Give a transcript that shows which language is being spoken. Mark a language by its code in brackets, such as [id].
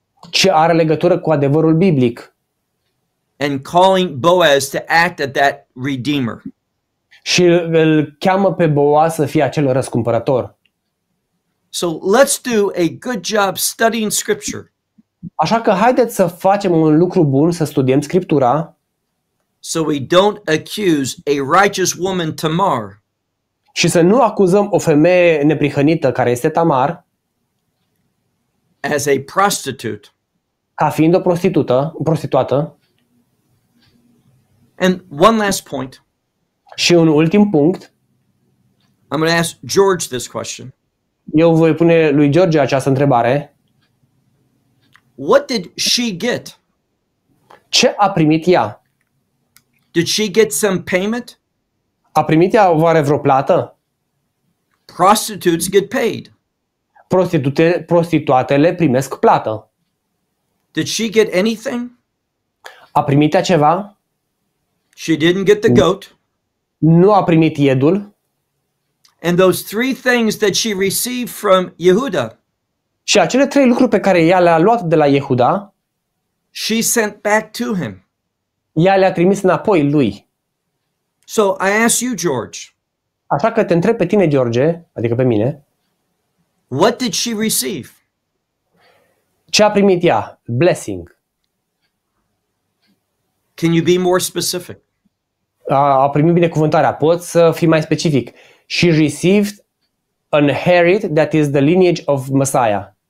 [ro] Ce are legătură cu adevărul biblic. [en] And calling Boaz to act as that redeemer. [ro] Și îl cheamă pe Boaz să fie acel răscumpărător. [en] So let's do a good job studying scripture. [ro] Așa că haideți să facem un lucru bun, să studiem scriptura. [en] So we don't accuse a righteous woman Tamar. [ro] Și să nu acuzăm o femeie neprihănită care este Tamar. [en] As a prostitute. [ro] Ca fiind o prostituată, prostituată. [en] And one last point. [ro] Și un ultim punct. [en] I'm going to ask George this question. [ro] Eu voi pune lui George această întrebare. [en] What did she get? [ro] Ce a primit ea? [en] Did she get some payment? [ro] A primit ea oare vreo plată? [en] Prostitutes get paid. [ro] Prostituatele primesc plată. [en] Did she get anything? [ro] A primit ea ceva? [en] She didn't get the goat. [ro] Nu a primit iedul. [en] And those three things that she received from Yehuda. [ro] Și acele trei lucruri pe care ea le-a luat de la Yehuda, [en] she sent back to him. [ro] Ea le-a trimis înapoi lui. [en] So I ask you, George. [ro] Așa că te întreb pe tine, George, adică pe mine. [en] What did she receive? [ro] Ce a primit ea? [en] Blessing. Can you be more specific? [ro] A primit binecuvântarea. Poți să fii mai specific. [en] She received an inherit that is the lineage of Messiah.